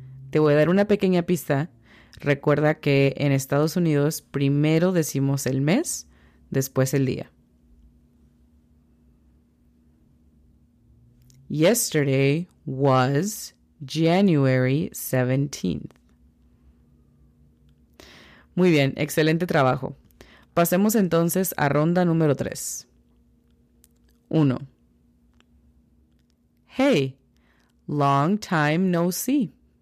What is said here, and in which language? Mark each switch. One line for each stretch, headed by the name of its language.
Spanish: Te voy a dar una pequeña pista. Recuerda que en Estados Unidos primero decimos el mes, después el día.
English: Yesterday was January 17th.
Spanish: Muy bien, excelente trabajo. Pasemos entonces a ronda número 3. 1.
English: Hey, long time no see.